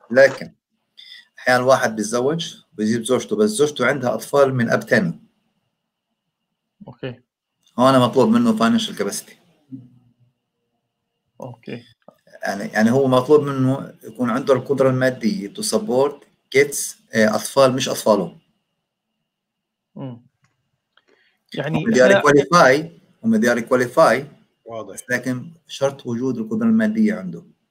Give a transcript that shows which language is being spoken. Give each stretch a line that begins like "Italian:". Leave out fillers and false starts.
Arabic: لكن احيانا واحد بيتزوج بيجيب زوجته بس زوجته عندها اطفال من اب ثاني، اوكي هنا مطلوب منه
English: financial capacity.
Arabic: اوكي. يعني هو مطلوب منه يكون عنده القدرة المادية
English: to support kids
Arabic: أطفال مش أطفاله. يعني
English: هم they are qualify، هم they are qualify.
Arabic: واضح. لكن شرط وجود القدرة المادية عنده.